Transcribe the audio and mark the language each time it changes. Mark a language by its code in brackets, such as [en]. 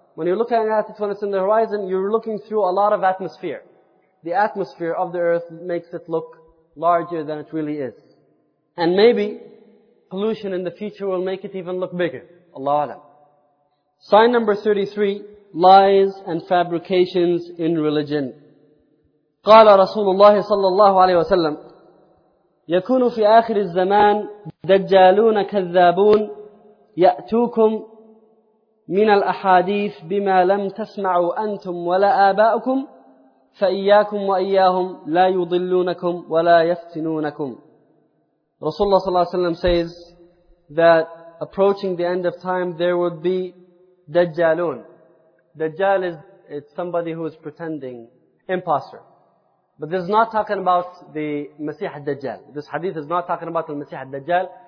[en] When you're looking at it when it's in the horizon, you're looking through a lot of atmosphere. The atmosphere of the earth makes it look larger than it really is. And maybe pollution in the future will make it even look bigger. Allahu a'lam. Sign number 33, lies and fabrications in religion. [ar] قال رسول الله صلى الله عليه وسلم يكون في آخر الزمان دجالون كذابون يأتوكم من الأحاديث بما لم تسمعوا أنتم ولا آباؤكم فإياكم وإياهم لا يضلونكم ولا يفتنونكم. [en] Rasulullah صلى الله عليه وسلم says that approaching the end of time there would be Dajjalun. Dajjal is somebody who is pretending, imposter. But this is not talking about the Masih al-Dajjal. This hadith is not talking about the Masih al-Dajjal.